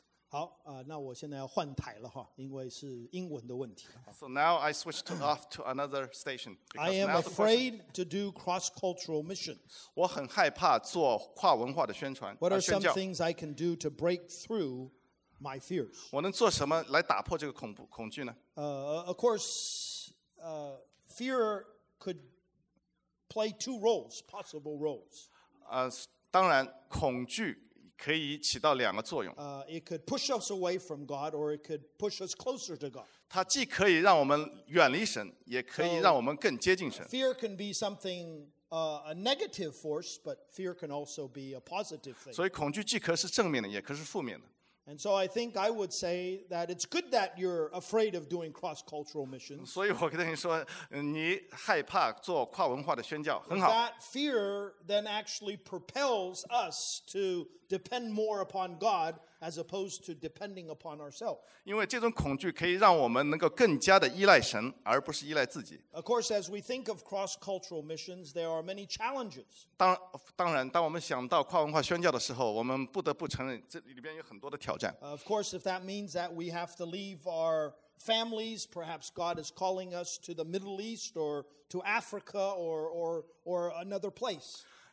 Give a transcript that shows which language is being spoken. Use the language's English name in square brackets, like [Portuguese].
[Chinese] 好，那我现在要换台了哈，因为是英文的问题。 [English] So now I switched off to another station. I am afraid to do cross-cultural missions. [Chinese] 我很害怕做跨文化的宣传。 [English] What are some things I can do to break through my fears? [Chinese] 我能做什么来打破这个恐惧呢？ [English] Of course, fear could play two roles, possible roles. [Chinese] 当然，恐惧可以起到两个作用。 [English] It could push us away from God, or it could push us closer to God. [Chinese] 它既可以让我们远离神，也可以让我们更接近神。 [English] Fear can be something a negative force, but fear can also be a positive thing. [Chinese] 所以，恐惧既可是正面的，也可是负面的。 [English] And so I think I would say that it's good that you're afraid of doing cross-cultural missions. [Chinese] 所以我跟你说，你害怕做跨文化的宣教，很好。 [English] That fear then actually propels us to depend more upon God as opposed to depending upon ourselves. [Chinese] 因为这种恐惧可以让我们能够更加的依赖神，而不是依赖自己。 [English] Of course, as we think of cross-cultural missions, there are many challenges. [Chinese] 当然，当我们想到跨文化宣教的时候，我们不得不承认这里边有很多的。 [English] Of course, if that means that we have to leave our families, perhaps God is calling us to the Middle East or to Africa or another place.